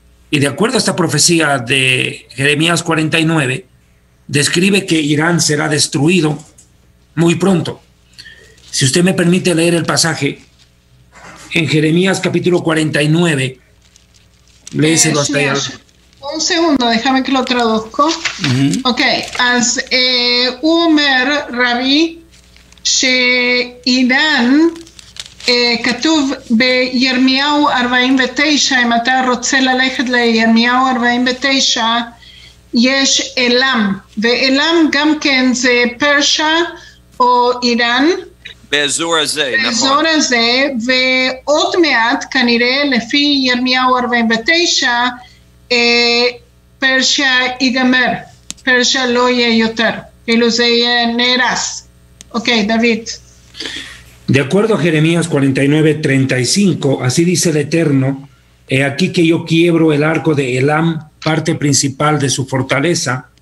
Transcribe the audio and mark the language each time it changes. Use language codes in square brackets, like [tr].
[es] Y de acuerdo a esta profecía de Jeremías 49, describe que Irán será destruido muy pronto. Si usted me permite leer el pasaje, en Jeremías capítulo 49, léeselo hasta allá. Un segundo, déjame que lo traduzco. Uh-huh. [he] Ok, as Umer Rabbi, she Irán, כתוב בירמיהו 49, אם אתה רוצה ללכת לירמיהו 49, יש אלם, ואלם גם כן זה פרשה, או איראן, באזור הזה, נכון. באזור הזה, ועוד מעט, כנראה, לפי ירמיהו 49, פרשה ייגמר, פרשה לא יהיה יותר, כאילו זה יהיה נהרס. אוקיי, דוד. [es] De acuerdo a Jeremías 49:35, así dice el Eterno, he aquí que yo quiebro el arco de Elam, parte principal de su fortaleza.